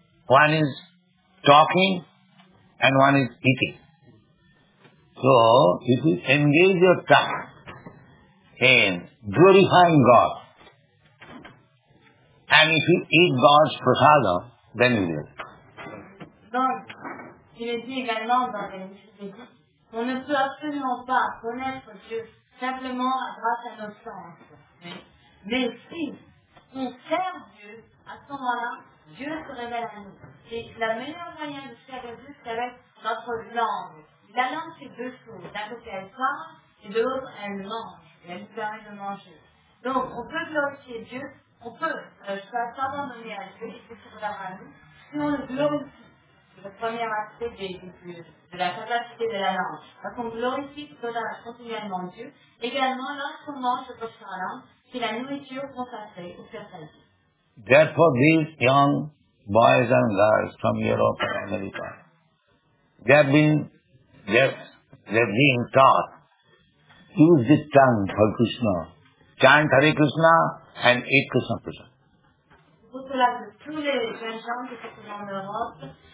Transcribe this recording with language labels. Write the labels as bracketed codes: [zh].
[en] One is talking and one is eating. So, if you engage your tongue in glorifying God, and if you eat God's prasadam, then you will. [fr] Il est dit également dans les Vedic, on ne peut absolument pas connaître Dieu simplement grâce à nos sens. Mais si on sert Dieu, à ce moment-là, Dieu se révèle à nous. Et la meilleure manière de servir Dieu, c'est avec notre langue. La langue, c'est deux choses. D'un côté, elle parle, et de l'autre, elle mange. Et elle nous permet de manger. Donc, on peut glorifier Dieu, on peut s'abandonner à Dieu, et se révèle à nous, si on le glorifie. Le premier aspect de la capacité de la langue. Parce qu'on glorifie continuellement Dieu, également lorsqu'on mange le prasadam, qui est la nourriture consacrée au Seigneur. [en] Therefore, these young boys and girls from Europe and America, they're being taught, use the tongue for Krishna, chant Hare Krishna and eat Krishna Prasadam. [fr] Pour cela, tous les jeunes gens qui sont en Europe,